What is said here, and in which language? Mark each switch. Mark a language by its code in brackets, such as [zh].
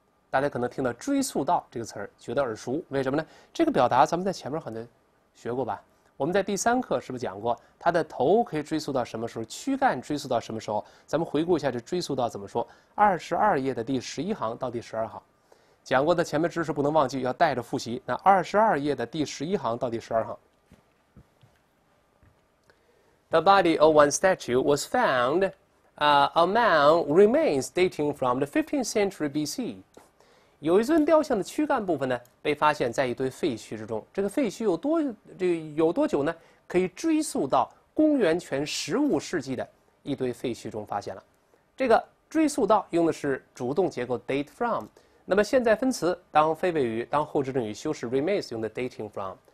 [zh] 大家可能听到追溯到这个词儿觉得耳熟，为什么呢？这个表达咱们在前面可能学过吧，我们在第三课是不是讲过，它的头可以追溯到什么时候，躯干追溯到什么时候？咱们回顾一下，这追溯到怎么说？22页的第11行到第12行，讲过的前面知识不能忘记，要带着复习。那22页的第11行到第12行 [en] ，The body of one statue was found, among remains dating from the 15th century BC。 [zh] 有一尊雕像的躯干部分呢，被发现在一堆废墟之中。这个废墟有多久呢？可以追溯到公元前15世纪的一堆废墟中发现了。这个追溯到用的是主动结构 date from， 那么现在分词当非谓语，当后置定语修饰 remains 用的 dating from。